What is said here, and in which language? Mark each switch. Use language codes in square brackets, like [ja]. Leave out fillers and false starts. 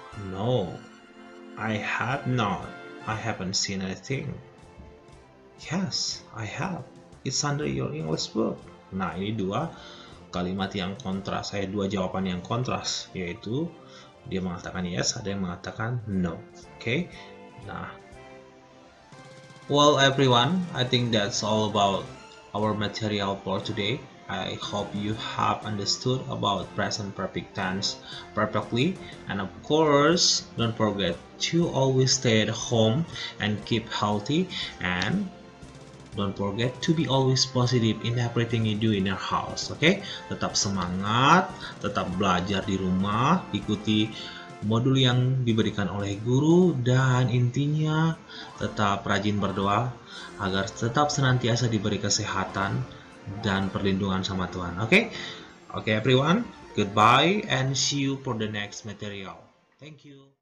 [en] No, I have not. I haven't seen anything. Yes, I have. It's under your English book. [id] Nah, ini dua kalimat yang kontras. Saya dua jawaban yang kontras. Yaitu, dia mengatakan yes, ada yang mengatakan no. Okay? Nah. [en] Well, everyone, I think that's all about our material for today. I hope you have understood about present perfect tense perfectly. And of course, don't forget to always stay at home and keep healthy. And don't forget to be always positive in everything you do in your house. Okay? [id] Tetap semangat, tetap belajar di rumah, ikuti modul yang diberikan oleh guru, dan intinya tetap rajin berdoa agar tetap senantiasa diberi kesehatan dan perlindungan sama Tuhan. [en] Okay? Oke, okay, everyone. Goodbye and see you for the next material. Thank you.